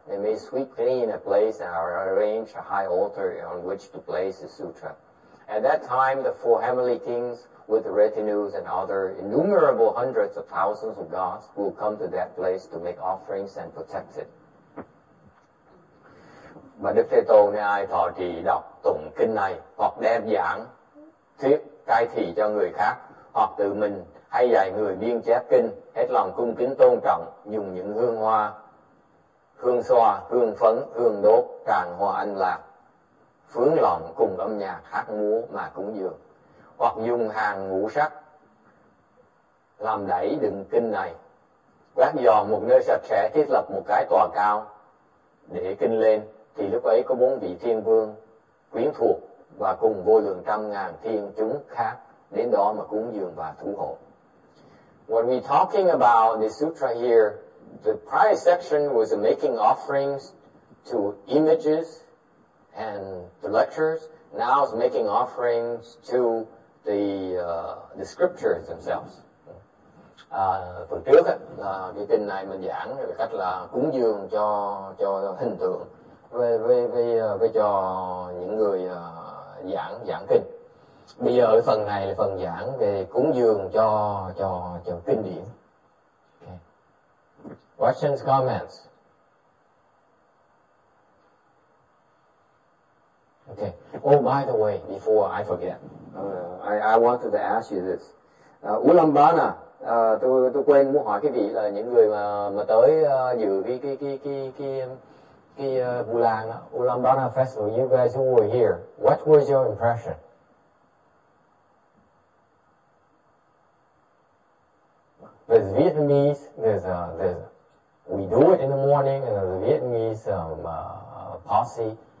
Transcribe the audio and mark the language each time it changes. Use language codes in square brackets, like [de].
[en] They may sweep clean a place and arrange a high altar on which to place the sutra. At that time, the four heavenly kings with the retinues and other innumerable hundreds of thousands of gods will come to that place to make offerings and protect it. [vi] Và Đức Thế Tôn nên ai thọ trì đọc tụng kinh này hoặc đem giảng thuyết cai thị cho người khác hoặc tự mình hay dạy người biên chép kinh, hết lòng cung kính tôn trọng, dùng những hương hoa, hương xoa, hương phấn, hương đốt, tràn hoa ân lạc, phướng lòng cùng âm nhạc, hát múa mà cúng dường. Hoặc dùng hàng ngũ sắc, làm đẩy đựng kinh này, quét dọn một nơi sạch sẽ, thiết lập một cái tòa cao, để kinh lên, thì lúc ấy có bốn vị thiên vương, quyến thuộc và cùng vô lượng trăm ngàn thiên chúng khác, đến đó mà cúng dường và thủ hộ. [en] When we're talking about the sutra here, the prior section was making offerings to images and the lecturers now is making offerings to the scriptures themselves. [vi] Phần trước á, cái kinh này mình giảng về cách là cúng dường cho hình tượng với cho những người giảng kinh. Bây giờ cái phần này là phần giảng về cúng dường cho kinh điển. [en] Okay. Questions, comments. Okay. Oh, by the way, before I forget, I wanted to ask you this. [vi] Ulambana, tôi quên muốn hỏi cái vị là những người mà tới dự cái [en] Bulan Ulambana Festival. You guys who were here, what was your impression? There's Vietnamese. We do it in the morning, and the Vietnamese posse.